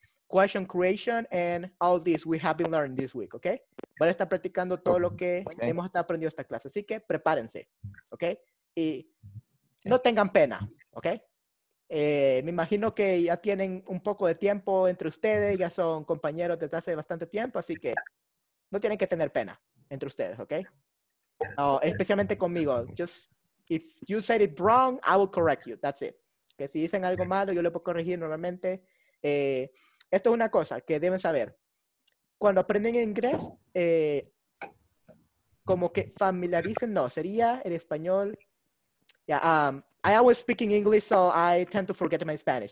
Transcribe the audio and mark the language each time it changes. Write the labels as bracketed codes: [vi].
[en] question creation and all this we have been learning this week, okay? [es] Van a estar practicando todo lo que hemos estado aprendiendo esta clase, así que prepárense, okay? Y no tengan pena, okay? Me imagino que ya tienen un poco de tiempo entre ustedes, ya son compañeros desde hace bastante tiempo, así que no tienen que tener pena entre ustedes, okay? No, especialmente conmigo. [en] Just if you said it wrong, I will correct you. That's it. [es] Que si dicen algo malo, yo lo puedo corregir normalmente. Esto es una cosa que deben saber. Cuando aprenden inglés, como que familiaricen, no, sería el español. [en] I always speak in English, so I tend to forget my Spanish.